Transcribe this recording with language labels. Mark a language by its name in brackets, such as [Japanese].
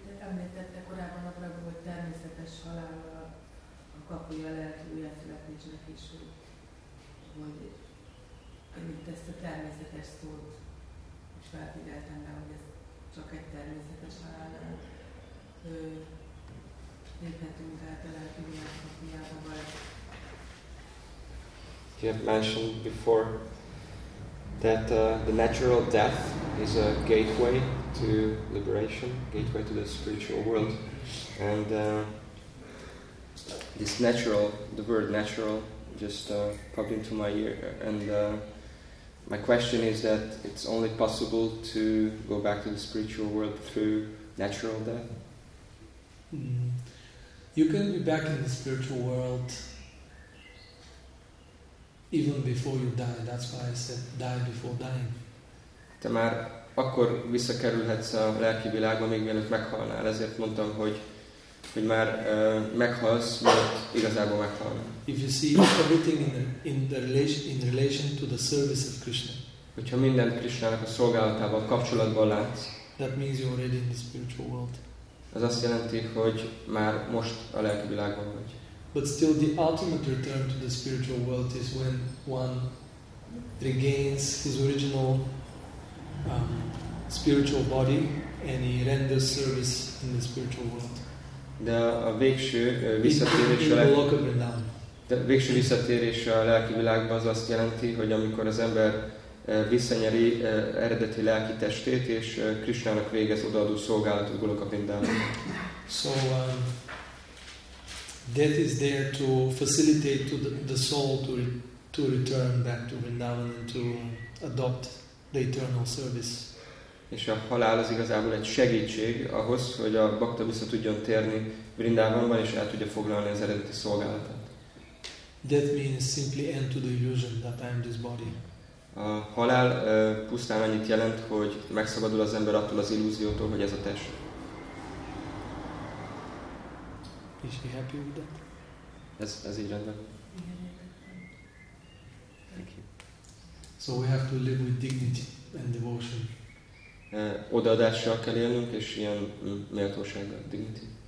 [Hungarian] Említette korábban a Prabhu, hogy természetes halállal a kapuja lehet újjászületésnek is, hogy amit ezt a természetes szót is felfigyeltem rá, hogy ez csak egy természetes halállal léphetünk át a lelki újjászületésnek, vagy [English] you have mentioned before that the natural death is a gateway to liberation, gateway to the spiritual world. And this natural, the word natural, just popped into my ear. And my question is that it's only possible to go back to the spiritual world through natural death? You can be back in the spiritual world even before you die. That's why I said die before dying. [Hungarian] Te már akkor visszakerülhetsz a lelki világba, még mielőtt meghalnál. Ezért mondtam, hogy már meghalsz, mielőtt igazából meghalnál. [English] If you see everything in relation to the service of Krishna. [Hungarian] Hogyha minden Krishnának a szolgálatával kapcsolatban látsz. [English] That means you're already in the spiritual world. [Hungarian] Ez azt jelenti, hogy már most a lelki világban vagy. [English] But still the ultimate return to the spiritual world is when one regains his original spiritual body and he renders service in the spiritual world. [Hungarian] De a végső visszatérés a lelki világban. De a végső visszatérés a lelki világban az azt jelenti, hogy amikor az ember visszanyeri eredeti lelki testét és Krisnának végez odaadó szolgálatot Goloka Vrindavanban. [English] So death is there to facilitate to the soul to return back to Vrindavan and to adopt the eternal service. [Hungarian] És a halál az igazából egy segítség ahhoz, hogy a bhakta vissza tudjon térni Vrindavanban és el tudja foglalni az eredeti szolgálatát. [English] Death means simply end to the illusion that I am this body. [Hungarian] A halál pusztán annyit jelent, hogy megszabadul az ember attól az illúziótól, hogy ez a test. [English] Is he happy with that? [Hungarian] Ez így rendben. [English] Thank you. So we have to live with dignity and devotion. [Hungarian] Odaadással kell élnünk, és ilyen méltósággal, dignity.